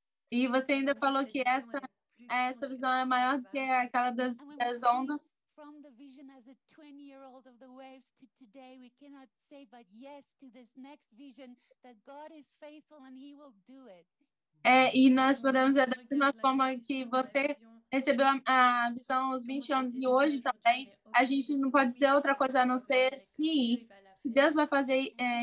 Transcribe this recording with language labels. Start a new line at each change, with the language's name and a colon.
Portuguese: E você ainda falou que essa visão é maior do que aquela das ondas.
English: From the vision as a 20-year-old of the waves to today, we cannot say but yes to this next vision that God is faithful and He will do it.
Portuguese: É, e nós podemos dizer da mesma forma que você recebeu a visão aos 20 anos de hoje também. A gente não pode dizer outra coisa a não ser sim, Deus vai fazer.